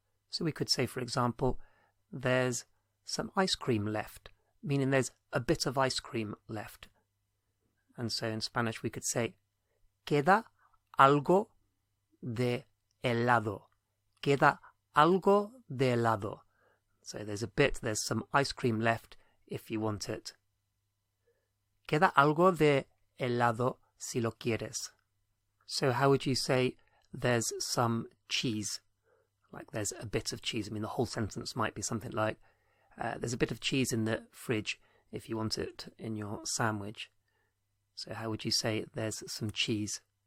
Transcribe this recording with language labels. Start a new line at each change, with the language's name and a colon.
English: So we could say, for example, there's some ice cream left, meaning there's a bit of ice cream left. And so in Spanish, we could say,
Spanish: queda algo de helado. Queda algo de helado.
English: So there's a bit, there's some ice cream left if you want it.
Spanish: Queda algo de helado si lo quieres.
English: So how would you say there's some cheese? Like there's a bit of cheese. I mean, the whole sentence might be something like, there's a bit of cheese in the fridge if you want it in your sandwich. So how would you say there's some cheese?